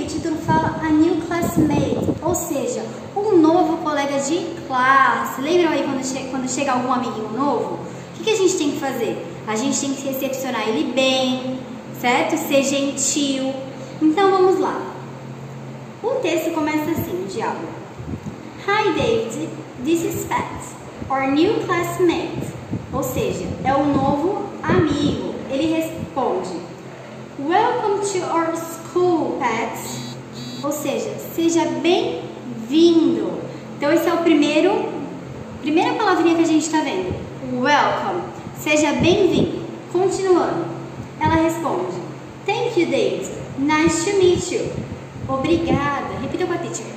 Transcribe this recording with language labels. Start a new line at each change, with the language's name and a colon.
Portuguese: O título fala
English: A New Classmate,
Portuguese: ou seja, um novo colega de classe. Lembram aí quando chega algum amiguinho novo? O que a gente tem que fazer? A gente tem que recepcionar ele bem, certo? Ser gentil. Então, vamos lá. O texto começa assim, o diálogo.
English: Hi, David. This is Pat, our new classmate.
Portuguese: Ou seja, é um novo amigo.
English: Ele responde. Welcome to our school, Pat.
Portuguese: Ou seja, seja bem-vindo. Então, esse é o primeira palavrinha que a gente está vendo. Welcome. Seja bem-vindo. Continuando. Ela responde.
English: Thank you, Dave. Nice to meet you.
Portuguese: Obrigada. Repita com a teacher.